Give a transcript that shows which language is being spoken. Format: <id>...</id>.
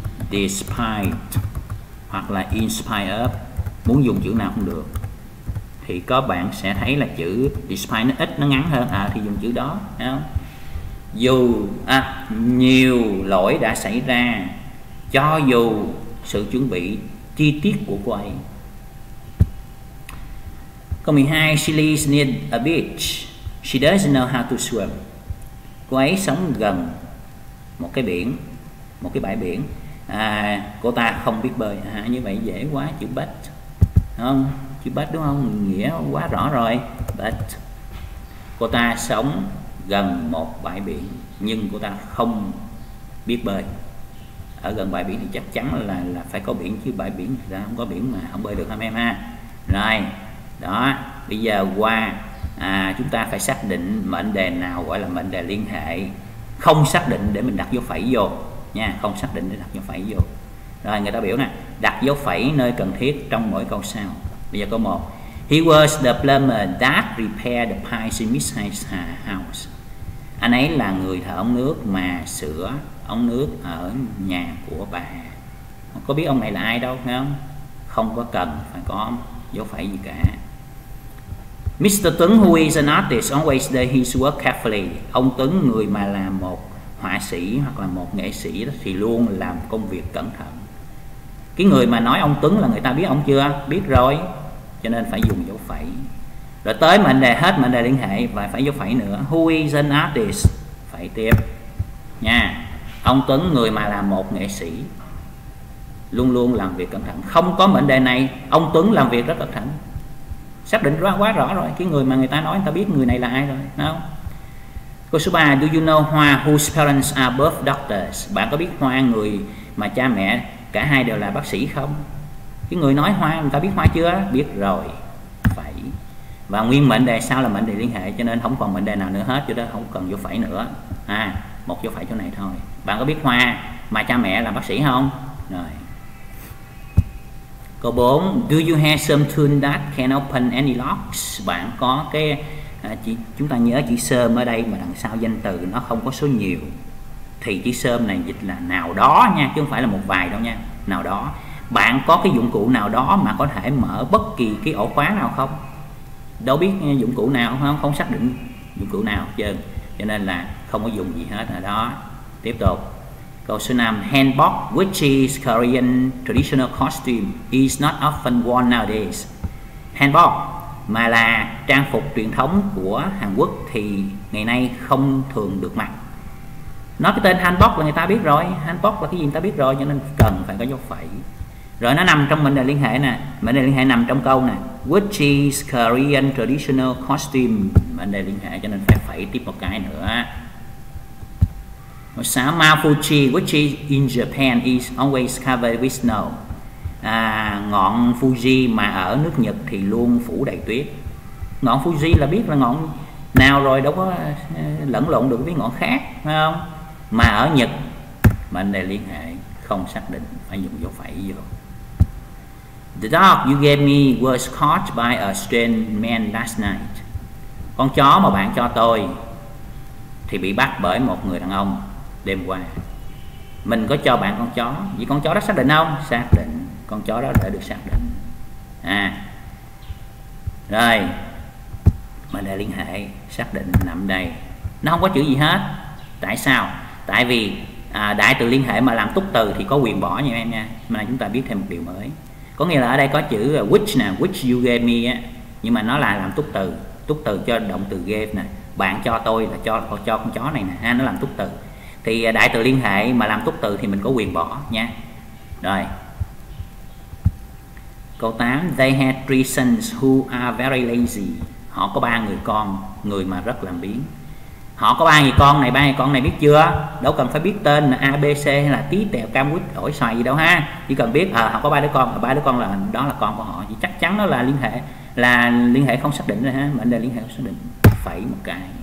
<vi>Despite hoặc là inspire, muốn dùng chữ nào cũng được. Thì có bạn sẽ thấy là chữ despite nó ít, nó ngắn hơn. À, thì dùng chữ đó. Dù nhiều lỗi đã xảy ra, cho dù sự chuẩn bị chi tiết của cô ấy. Câu 12,</vi> <en>she lives near a beach, she doesn't know how to swim.</en> <vi>Cô ấy sống gần một cái biển, một cái bãi biển. À, cô ta không biết bơi. À, như vậy dễ quá, chữ but, không? Chữ but đúng không? Nghĩa quá rõ rồi, but. Cô ta sống gần một bãi biển, nhưng cô ta không biết bơi. Ở gần bãi biển thì chắc chắn là phải có biển chứ, bãi biển ra không có biển mà không bơi được hả em ha? Rồi. Đó, bây giờ qua chúng ta phải xác định mệnh đề nào gọi là mệnh đề liên hệ. Không xác định để mình đặt dấu phẩy vô nha, không xác định để đặt dấu phẩy vô. Rồi, người ta biểu nè, đặt dấu phẩy nơi cần thiết trong mỗi câu sau. Bây giờ câu 1,</vi> <en>he was the plumber that repaired the pipes in Miss Hayes' house.</en> <vi>Anh ấy là người thợ ống nước mà sửa ống nước ở nhà của bà. Có biết ông này là ai đâu, phải không? Không có cần phải có dấu phẩy gì cả.</vi> <en>Mr. Tuấn, who is an artist, always does his work carefully.</en> <vi>Ông Tuấn, người mà là một họa sĩ hoặc là một nghệ sĩ đó, thì luôn làm công việc cẩn thận. Cái người mà nói ông Tuấn là người ta biết ông chưa? Biết rồi, cho nên phải dùng dấu phẩy. Rồi tới mệnh đề, hết mệnh đề liên hệ và phải dấu phẩy nữa.</vi> <en>Who is an artist?</en> <vi>Phải tiếp nha. Ông Tuấn, người mà là một nghệ sĩ, luôn luôn làm việc cẩn thận. Không có mệnh đề này, ông Tuấn làm việc rất cẩn thận. Xác định quá rõ rồi, cái người mà người ta nói, người ta biết người này là ai rồi, không? Câu số 3,</vi> <en>do you know Hoa, whose parents are both doctors?</en> <vi>Bạn có biết Hoa, người mà cha mẹ cả hai đều là bác sĩ không? Cái người nói Hoa, người ta biết Hoa chưa? Biết rồi, phải. Và nguyên mệnh đề sau là mệnh đề liên hệ, cho nên không còn mệnh đề nào nữa hết, cho nên không cần vô phải nữa. À, một vô phải chỗ này thôi. Bạn có biết Hoa mà cha mẹ là bác sĩ không? Rồi, Câu 4,</vi> <en>do you have some tool that can open any locks?</en> <vi>Bạn có cái chúng ta nhớ chữ some ở đây mà đằng sau danh từ nó không có số nhiều. Thì chữ some này dịch là nào đó nha, chứ không phải là một vài đâu nha. Nào đó. Bạn có cái dụng cụ nào đó mà có thể mở bất kỳ cái ổ khóa nào không? Đâu biết dụng cụ nào không? Không xác định dụng cụ nào chừng. Cho nên là không có dùng gì hết ở đó. Tiếp tục. Câu số 5,</vi> <en>hanbok, which is Korean traditional costume, is not often worn nowadays.</en> <vi>Hanbok, mà là trang phục truyền thống của Hàn Quốc thì ngày nay không thường được mặc. Nói cái tên hanbok là người ta biết rồi, hanbok là cái gì người ta biết rồi, cho nên cần phải có dấu phẩy. Rồi nó nằm trong mệnh đề liên hệ nè, mệnh đề liên hệ nằm trong câu nè,</vi> <en>which is Korean traditional costume,</en> <vi>mệnh đề liên hệ cho nên phải phẩy tiếp một cái nữa. Câu 6,</vi> <en>Mafuchi, which is in Japan, is always covered with snow.</en> <vi>Ngọn Fuji mà ở nước Nhật thì luôn phủ đầy tuyết. Ngọn Fuji là biết là ngọn nào rồi, đâu có lẫn lộn được với ngọn khác, phải không? Mà ở Nhật, mệnh đề liên hệ không xác định, phải dùng dấu phẩy vô.</vi> <en>The dog you gave me was caught by a strange man last night.</en> <vi>Con chó mà bạn cho tôi thì bị bắt bởi một người đàn ông đêm qua. Mình có cho bạn con chó, vì con chó đó xác định không? Xác định, con chó đó đã được xác định. À, rồi, mình đã liên hệ, xác định nằm đây. Nó không có chữ gì hết. Tại sao? Tại vì đại từ liên hệ mà làm túc từ thì có quyền bỏ nha em nha. Mà chúng ta biết thêm một điều mới. Có nghĩa là ở đây có chữ which nè,</vi> <en>which you gave me</en> <vi>á, nhưng mà nó là làm túc từ, túc từ cho động từ gave nè. Bạn cho tôi là cho con chó này nè, ha, nó làm túc từ. Thì đại từ liên hệ mà làm túc từ thì mình có quyền bỏ nha. Rồi. Câu 8,</vi> <en>they had three sons who are very lazy.</en> <vi>Họ có ba người con, người mà rất làm biếng. Họ có ba người con này biết chưa? Đâu cần phải biết tên A, B, C hay là tí tèo cam quýt ổi xoài gì đâu ha. Chỉ cần biết họ có ba đứa con là đó là con của họ thì chắc chắn nó là liên hệ không xác định rồi ha, mệnh đề liên hệ không xác định. Phẩy một cái.</vi>